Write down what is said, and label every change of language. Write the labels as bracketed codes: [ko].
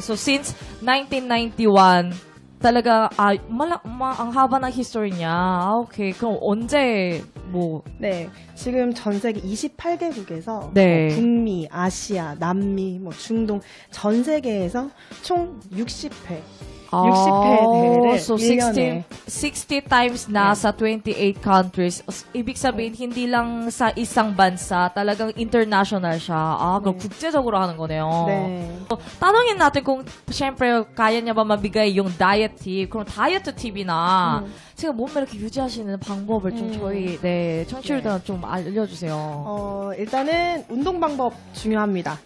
[tl] So since 1991 talaga ang haba ng history niya. [ko] 아, okay. 그럼 언제 뭐 네. 지금 전 세계 28개국에서 네. 뭐 북미, 아시아, 남미, 뭐 중동 전 세계에서 총 60회. [en] 60 times [tl] na yeah. sa 28 countries. Ibig sabihin, yeah. hindi lang sa isang bansa, talagang international siya. Ah, yeah. [ko] 국제적으로 하는 거네요. 네. So, 따놓은 [tl] natin kung, syempre, kaya niya ba mabigay yung diet tip, [ko] kung diet tip이나, 제가 몸매 이렇게 유지하시는 방법을 좀 저희, 네, 청취자들 좀 알려주세요. 일단은 운동 방법 중요합니다.